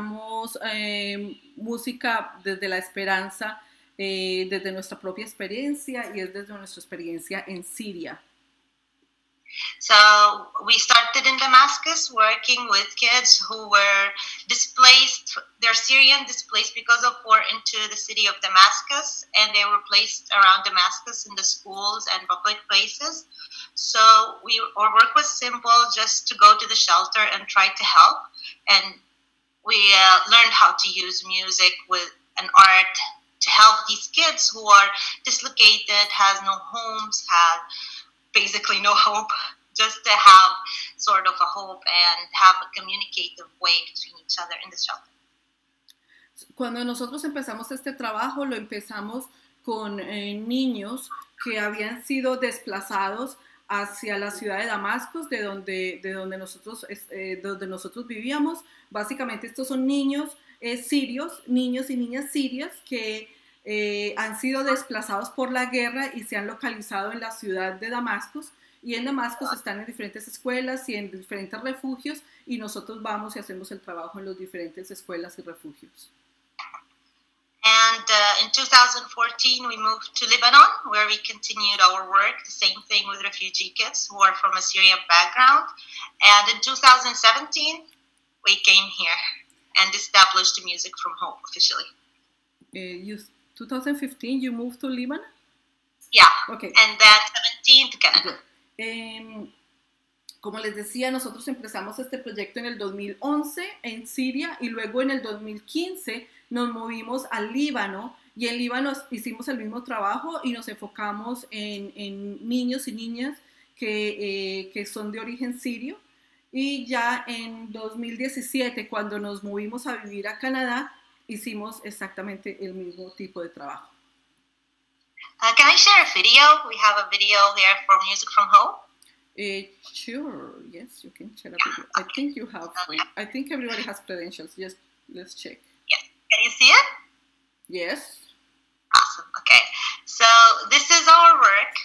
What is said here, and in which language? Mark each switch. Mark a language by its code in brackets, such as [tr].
[es] Nosotros empezamos música desde la esperanza, desde nuestra propia experiencia, y es desde nuestra experiencia en Siria. [en] So we started in Damascus working with kids who were displaced, they're Syrian displaced because of war into the city of Damascus, and they were placed around Damascus in the schools and public places. So our work was simple, just to go to the shelter and try to help, and we learned how to use music with an art to help these kids who are dislocated, has no homes, have basically no hope, just to have sort of a hope and have a communicative way between each other in the shelter. [es] Cuando nosotros empezamos este trabajo, lo empezamos con niños que habían sido desplazados hacia la ciudad de Damasco, de donde nosotros vivíamos. Básicamente estos son niños sirios, niños y niñas sirias que han sido desplazados por la guerra y se han localizado en la ciudad de Damasco. Y en Damasco están en diferentes escuelas y en diferentes refugios, y nosotros vamos y hacemos el trabajo en las diferentes escuelas y refugios. [en] And in 2014 we moved to Lebanon, where we continued our work, the same thing with refugee kids who are from a Syrian background. And in 2017 we came here and established Music from Hope officially. 2015 you moved to Lebanon? Yeah. Okay. And then 2017 to Canada. [es] Como les decía, nosotros empezamos este proyecto en el 2011 en Siria, y luego en el 2015 nos movimos al Líbano, y en Líbano hicimos el mismo trabajo y nos enfocamos en niños y niñas que son de origen sirio. Y ya en 2017, cuando nos movimos a vivir a Canadá, hicimos exactamente el mismo tipo de trabajo. [en] Can I share a video? We have a video there for Music from Hope. Sure, yes, you can share a video. Yeah, okay. I think you have, okay. I think everybody has credentials. Yes, let's check. Yes, can you see it? Yes. Awesome, okay. So this is our work.